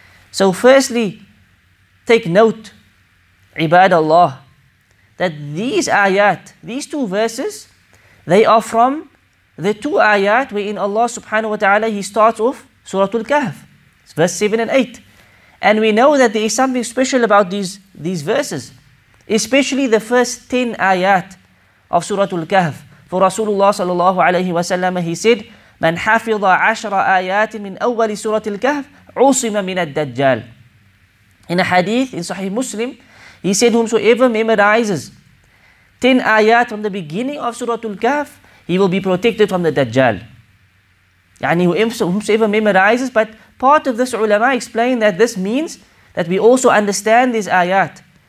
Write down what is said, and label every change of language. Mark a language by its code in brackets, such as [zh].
[en] So firstly, take note, Ibadallah, that these ayat, these two verses, they are from the two ayat wherein Allah subhanahu wa ta'ala, He starts off Surah Al-Kahf, verse 7 and 8. And we know that there is something special about these verses, especially the first 10 ayat of Surah Al-Kahf. For Rasulullah sallallahu alayhi wa sallam, He said, [ar] من حفظ عشر آيات من أول سورة الكهف عصم من الدجال. [en] In a hadith in Sahih Muslim, He said, whomsoever memorizes 10 ayat from the beginning of Surah Al-Kahf, he will be protected from the Dajjal. يعني whomsoever memorizes, but part of this ulama explained that this means that we also understand these ayat.